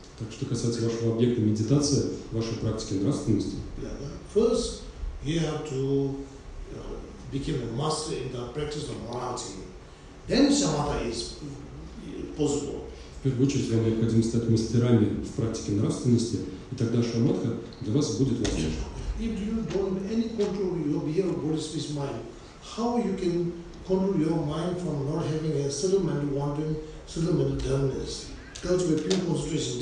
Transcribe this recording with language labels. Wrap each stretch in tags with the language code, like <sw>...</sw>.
<ru>Так что касается вашего объекта медитации, вашей практики нравственности.</ru> <en>First, you have to become a master in the practice of morality. Then samatha is possible.</en> <ru>В первую очередь вам необходимо стать мастерами в практике нравственности, и тогда шамадха для вас будет возможна.</ru> <en>If you don't have any control of your behavior, body, speech, mind, how you can control your mind from not having a subtle mental wandering, subtle mental dullness, cultivate pure concentration?</en>